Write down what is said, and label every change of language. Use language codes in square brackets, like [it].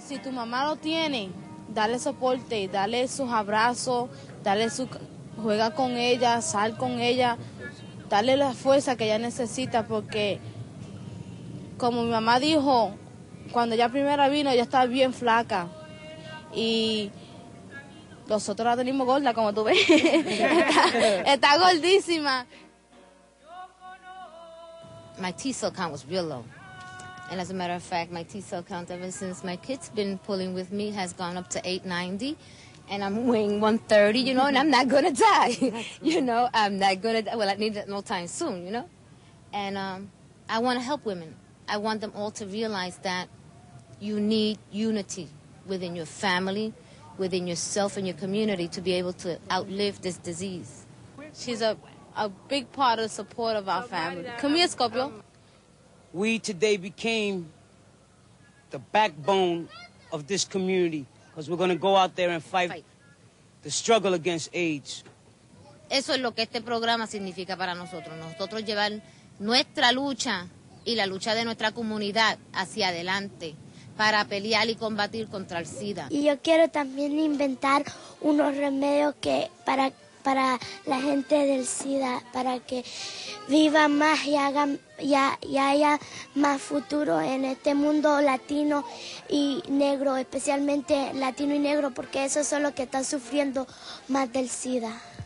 [es] Mamá lo tiene, dale soporte, dale sus abrazos, dale su, juega con ella, sal con ella, dale la fuerza que ella necesita, porque como mi mamá dijo, cuando ella primera vino, ella estaba bien flaca, y nosotros la tenemos gorda, como tú ves, está gordísima. [en] My T-cell count was real low. And as a matter of fact, my T-cell count ever since my kids been pulling with me has gone up to 890, and I'm weighing 130, you know, and I'm not going to die, you know, I'm not going to die. Well, I need that no time soon, you know, and I want to help women. I want them all to realize that you need unity within your family, within yourself and your community to be able to outlive this disease. She's a big part of the support of our family. Come here, Scorpio. We today became the backbone of this community because we're going to go out there and fight the struggle against AIDS. [es] Eso es lo que este programa significa para nosotros. Nosotros llevar nuestra lucha y la lucha de nuestra comunidad hacia adelante para pelear y combatir contra el SIDA. Y yo quiero también inventar unos remedios que para la gente del SIDA, para que viva más y haga y haya más futuro en este mundo latino y negro, especialmente latino y negro, porque eso es lo que está sufriendo más del SIDA.